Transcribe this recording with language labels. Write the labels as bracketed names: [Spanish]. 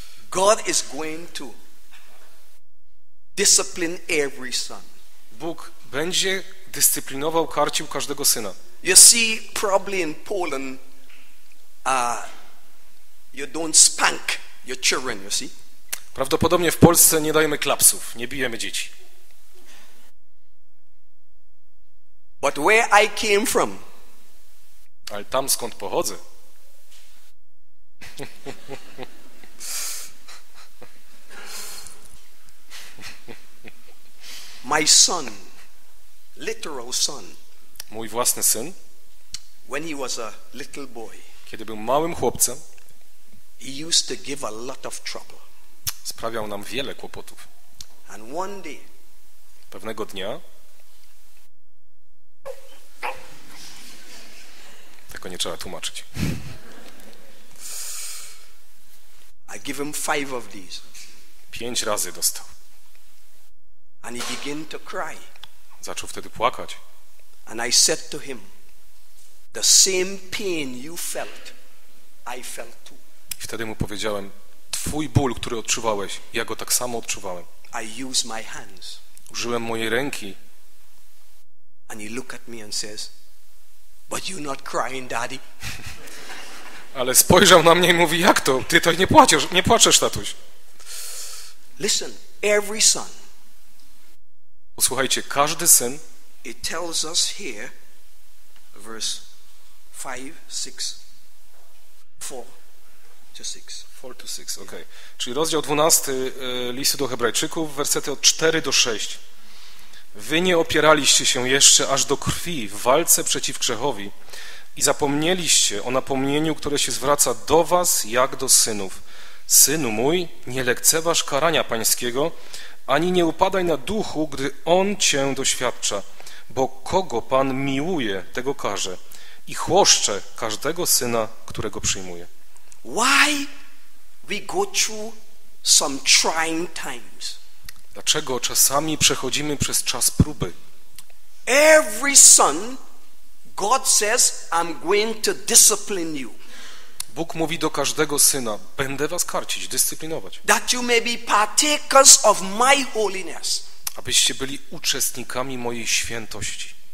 [English] God is going to discipline every son. [Polish] Bóg będzie dyscyplinował, karcił każdego syna. [English] You see, probably in Poland, you don't spank your children, you see? [Polish] Prawdopodobnie w Polsce nie dajemy klapsów, nie bijemy dzieci. [English] But where I came from. [Polish] Ale tam skąd pochodzę. [English] My son, literal son. [Polish] Mój własny syn. [English] When he was a little boy. [Polish] Kiedy był małym chłopcem. [English] He used to give a lot of trouble. [Polish] Sprawiał nam wiele kłopotów. [English] And one day. [Polish] Pewnego dnia. Tego nie trzeba tłumaczyć. [English] I give him five of these. [Polish] Pięć razy dostał. [English] And he began to cry. [Polish] Zaczął wtedy płakać. [English] And I said to him, the same pain you felt, I felt too. [Polish] I wtedy mu powiedziałem, twój ból, który odczuwałeś, ja go tak samo odczuwałem. [English] I use my hands. [Polish] Użyłem mojej ręki. [English] And he looked at me and says, but you not crying, daddy? [Polish] Ale spojrzał na mnie i mówi, jak to? Ty to nie płaczesz, nie płaczesz, tatuś. [English] Listen, every son. [Polish] Posłuchajcie, każdy syn. [English] It tells us here, verse 4 to 6. Okay. [Polish] Czyli rozdział 12 listu do Hebrajczyków, wersety od 4 do 6. Wy nie opieraliście się jeszcze aż do krwi w walce przeciw grzechowi i zapomnieliście o napomnieniu, które się zwraca do was jak do synów. Synu mój, nie lekceważ karania pańskiego, ani nie upadaj na duchu, gdy on cię doświadcza, bo kogo Pan miłuje, tego karze i chłoszcze każdego syna, którego przyjmuje. [English] Why we go through some trying times? [Polish] Dlaczego czasami przechodzimy przez czas próby? [English] Every son, God says, I'm going to discipline you. [Polish] Bóg mówi do każdego syna, będę was karcić, dyscyplinować. [English] That you may be partakers of my holiness. [Polish] Abyście byli uczestnikami mojej świętości.